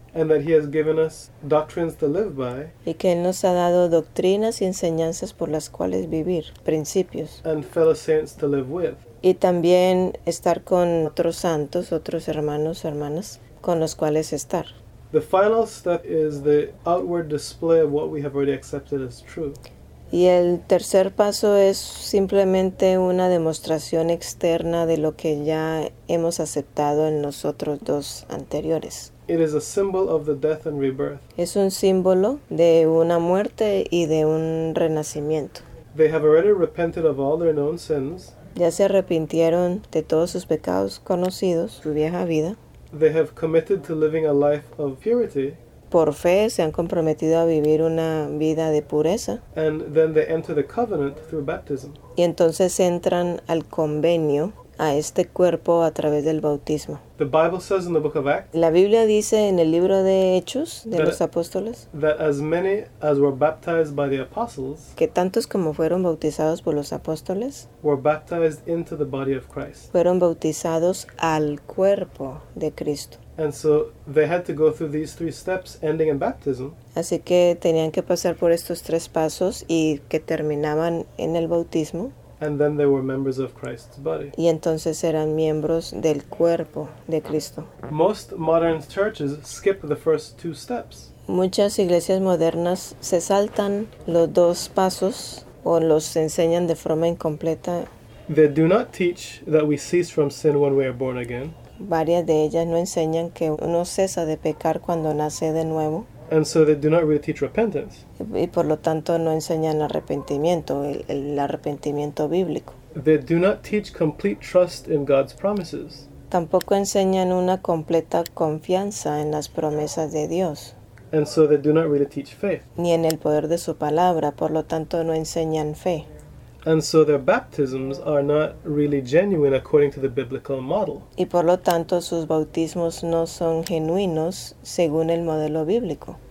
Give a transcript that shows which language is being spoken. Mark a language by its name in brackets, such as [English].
[English] And that He has given us doctrines to live by. [Spanish] Y que Él nos ha dado doctrinas y enseñanzas por las cuales vivir, principios. [English] And fellow saints to live with. [Spanish] Y también estar con otros santos, otros hermanos, hermanas, con los cuales estar. [English] The final step is the outward display of what we have already accepted as true. [Spanish] Y el tercer paso es simplemente una demostración externa de lo que ya hemos aceptado en los otros dos anteriores. [English] It is a symbol of the death and rebirth. [Spanish] Es un símbolo de una muerte y de un renacimiento. [English] They have already repented of all their known sins. [Spanish] Ya se arrepintieron de todos sus pecados conocidos, su vieja vida. [English] They have committed to living a life of purity. [Spanish] Por fe se han comprometido a vivir una vida de pureza. [English] And then they enter the covenant through baptism. [Spanish] Y entonces entran al convenio, a este cuerpo a través del bautismo. [English] The Bible says in the book of Acts. [Spanish] La Biblia dice en el libro de Hechos de los Apóstoles. [English] That as many as were baptized by the apostles. [Spanish] Que tantos como fueron bautizados por los apóstoles. [English] Were baptized into the body of Christ. [Spanish] Fueron bautizados al cuerpo de Cristo. [English] And so they had to go through these three steps ending in baptism. [Spanish] Así que tenían que pasar por estos tres pasos y que terminaban en el bautismo. [English] And then they were members of Christ's body. [Spanish] Y entonces eran miembros del cuerpo de Cristo. [English] Most modern churches skip the first two steps. [Spanish] Muchas iglesias modernas se saltan los dos pasos o los enseñan de forma incompleta. [English] They do not teach that we cease from sin when we are born again. [Spanish] Varias de ellas no enseñan que uno cesa de pecar cuando nace de nuevo. [English] And so they do not really teach repentance. [Spanish] Y por lo tanto no enseñan arrepentimiento, el arrepentimiento bíblico. [English] They do not teach complete trust in God's promises. [Spanish] Tampoco enseñan una completa confianza en las promesas de Dios. [English] And so they do not really teach faith. [Spanish] Ni en el poder de su palabra, por lo tanto no enseñan fe. [English] And so their baptisms are not really genuine according to the biblical model. [Spanish] Y por lo tanto sus bautismos no son genuinos según el modelo bíblico.